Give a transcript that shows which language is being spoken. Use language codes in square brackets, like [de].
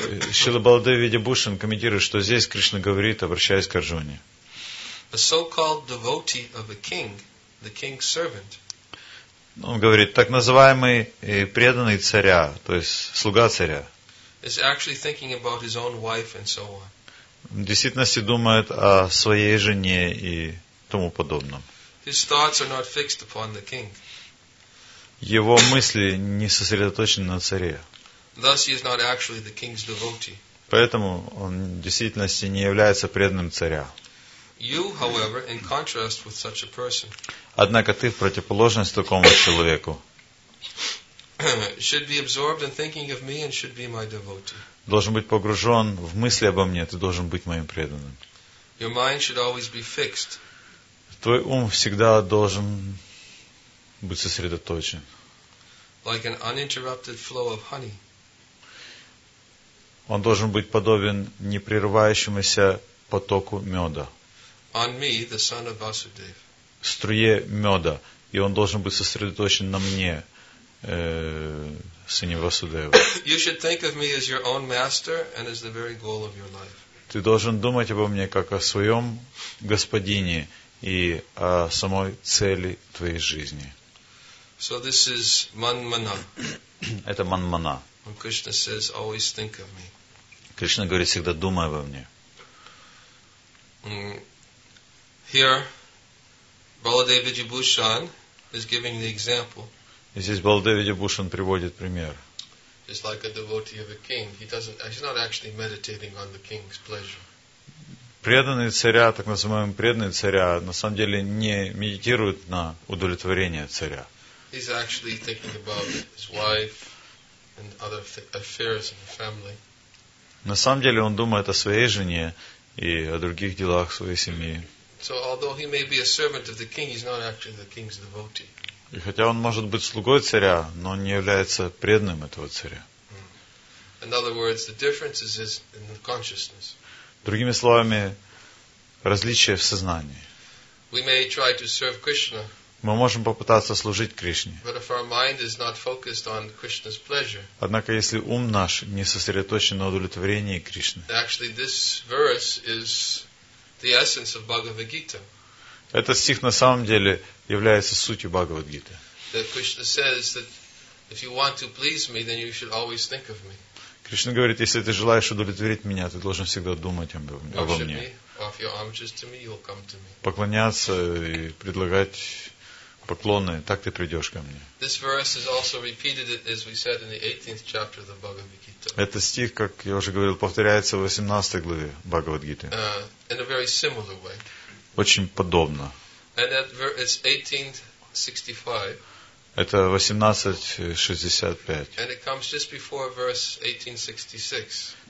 [ru] Шрила Баладева Видьябхушан комментирует, что здесь Кришна говорит, обращаясь к Арджуне. [en] A so-called devotee of a king, the king's servant. [ru] Он говорит, так называемый преданный царя, то есть слуга царя. [en] Is actually thinking about his own wife and so on. [ru] В действительности думает о своей жене и тому подобном. [en] His thoughts are not fixed upon the king. [ru] Его мысли не сосредоточены на царе. [en] Thus, he is not actually the king's devotee. [ru] Поэтому он в действительности не является преданным царя. [en] You, however, in contrast with such a person, [ru] однако ты в противоположность такому человеку. [en] Should be absorbed in thinking of me and should be my devotee. [ru] Должен быть погружен в мысли обо мне, ты должен быть моим преданным. [en] Your mind should always be fixed. [ru] Твой ум всегда должен быть сосредоточен. [en] Like an uninterrupted flow of honey. [ru] Он должен быть подобен непрерывающемуся потоку меда. [en] On me, the son of Vasudev. [ru] Струе меда. И он должен быть сосредоточен на мне, сыне Васудева. [en] You should think of me as your own master and as the very goal of your life. [ru] Ты должен думать обо мне как о своем господине и о самой цели твоей жизни. [en] So this is manmana. [ru] Это манмана. [en] When Krishna says, always think of me. [ru] Кришна говорит, всегда думай обо мне. [en] Here, Baladev Vidyabhushan is giving the example. [ru] И здесь Баладев Видьябхушан приводит пример. [en] Just like a devotee of a king. He's not actually meditating on the king's pleasure. [ru] Преданный царя, так называемый преданный царя, на самом деле не медитирует на удовлетворение царя. [en] He's actually thinking about his wife and other affairs in the family. [ru] На самом деле он думает о своей жене и о других делах своей семьи. [en] So although he may be a servant of the king, he's not actually the king's devotee. [ru] И хотя он может быть слугой царя, но он не является преданным этого царя. [en] In other words, the difference is in the consciousness. [ru] Другими словами, различие в сознании. [en] We may try to serve Krishna. [ru] Мы можем попытаться служить Кришне. [en] But if our mind is not focused on Krishna's pleasure, [ru] однако, если ум наш не сосредоточен на удовлетворении Кришны, [en] actually, this verse is the essence of Bhagavad Gita. [ru] Этот стих на самом деле является сутью Бхагавад Гиты. [en] That Krishna says that if you want to please me, then you should always think of me. [ru] Кришна говорит, если ты желаешь удовлетворить меня, ты должен всегда думать обо мне. [en] Offer your homages to me, you'll come to me. [ru] Поклоняться и предлагать поклоны, так ты придешь ко мне. [en] This verse is also repeated, as we said, in the 18th chapter of the Bhagavad Gita. [ru] Этот стих, как я уже говорил, повторяется в 18 главе Бхагавад Гиты. [en] In a very similar way. [ru] Очень подобно. [en] And that verse is 1865. [ru] Это 1865. [en] And it comes just before verse 1866.